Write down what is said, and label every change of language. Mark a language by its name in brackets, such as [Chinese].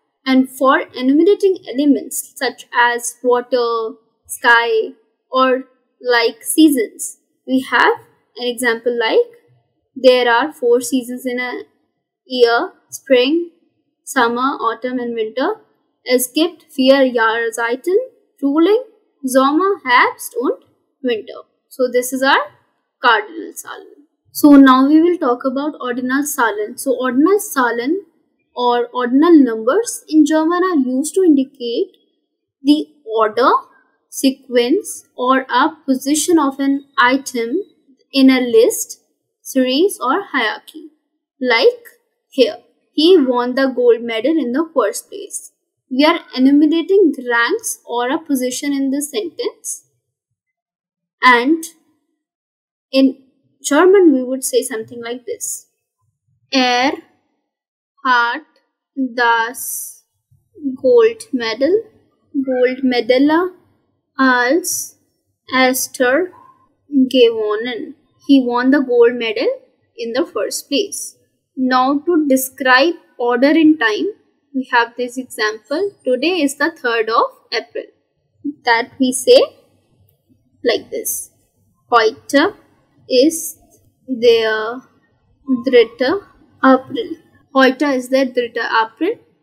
[English] And for enumerating elements such as water, sky, or like seasons, we have an example like there are four seasons in a year: spring, summer, autumn, and winter. [German] Es gibt vier Jahreszeiten: Frühling, Sommer, Herbst, und Winter. [English] So this is our cardinal Zahlen. So now we will talk about ordinal Zahlen. So ordinal Zahlen or ordinal numbers in German are used to indicate the order, sequence, or a position of an item in a list, series, or hierarchy. Like here, he won the gold medal in the first place. We are enumerating ranks or a position in the sentence. And in German, we would say something like this. [German] Er hat das Gold Medal, Gold Medalla, als Esther gewonnen. [English] He won the gold medal in the first place. Now to describe order in time, we have this example. Today is the 3rd of April. That we say like this. [German] Heute ist der 3. April. Heute is der 3. April.